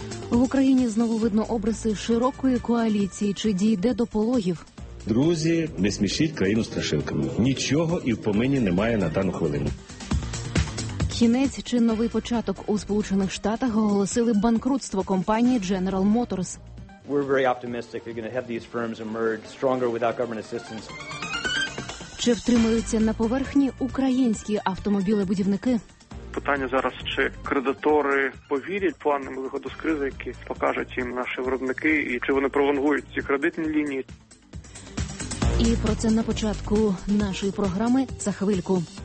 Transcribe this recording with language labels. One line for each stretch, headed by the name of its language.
Ukrainian: В Україні знову видно обриси широкої коаліції. Чи дійде до пологів? Друзі, не смішіть країну страшилками. Нічого і в помині немає на дану хвилину. Кінець чи новий початок? У Сполучених Штатах оголосили банкрутство компанії General Motors.
English: We're very optimistic they're going to have these firms emerge stronger without government assistance.
Ukrainian: Чи втримаються на поверхні українські автомобілебудівники? Питання зараз, чи кредитори повірять планам виходу з кризи, які покажуть їм наші виробники, і чи вони пролонгують ці кредитні лінії. І про це на початку нашої програми за хвильку.